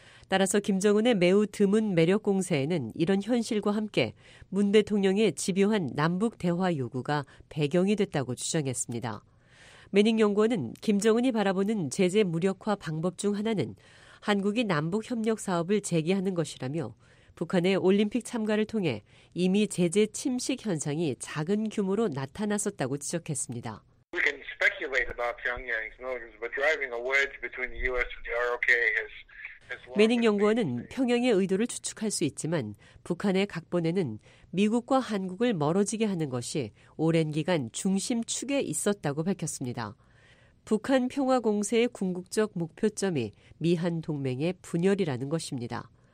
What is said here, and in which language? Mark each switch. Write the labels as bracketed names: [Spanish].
[Korean] 따라서 김정은의 매우 드문 매력 공세에는 이런 현실과 함께 문 대통령의 집요한 남북 대화 요구가 배경이 됐다고 주장했습니다. 매닝 연구원은 김정은이 바라보는 제재 무력화 방법 중 하나는 한국이 남북 협력 사업을 재개하는 것이라며 북한의 올림픽 참가를 통해 이미 제재 침식 현상이 작은 규모로 나타났었다고 지적했습니다. [English] We can speculate about Pyongyang's motives, but driving a wedge between the U.S. and the ROK has [Korean] 매닝 연구원은 평양의 의도를 추측할 수 있지만 북한의 각본에는 미국과 한국을 멀어지게 하는 것이 오랜 기간 중심축에 있었다고 밝혔습니다. 북한 평화 공세의 궁극적 목표점이 미한 동맹의 분열이라는 것입니다.